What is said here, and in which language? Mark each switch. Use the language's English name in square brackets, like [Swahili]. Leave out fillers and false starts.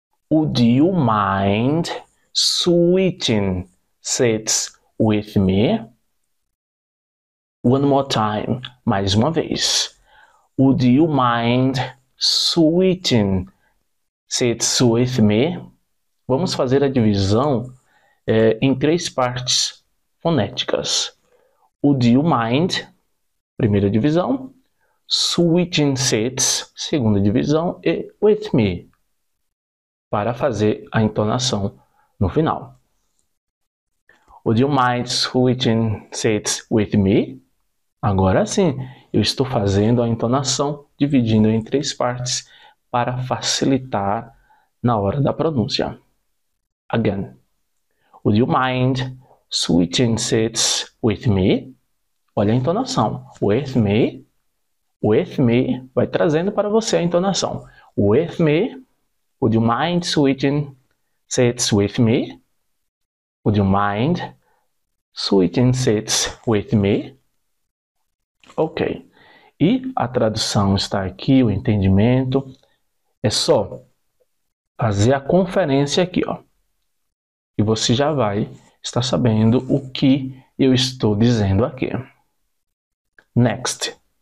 [English] Would you mind switching seats with me? One more time. [Portuguese] Mais uma vez. [English] Would you mind switching seats with me? [Portuguese] Vamos fazer a divisão em três partes fonéticas. [English] Would you mind? [Portuguese] Primeira divisão. [English] Switching seats. [Portuguese] Segunda divisão. E [English] with me. [Portuguese] Para fazer a entonação no final. [English] Would you mind switching seats with me? [Portuguese] Agora sim. Eu estou fazendo a entonação dividindo em três partes para facilitar na hora da pronúncia. [English] Again. Would you mind switching seats with me? [Portuguese] Olha a entonação. [English] With me. With me. [Portuguese] Vai trazendo para você a entonação. [English] With me. Would you mind switching seats with me? Would you mind switching seats with me? Ok. [Portuguese] E a tradução está aqui, o entendimento. É só fazer a conferência aqui, ó. E você já vai estar sabendo o que eu estou dizendo aqui. [English] Next.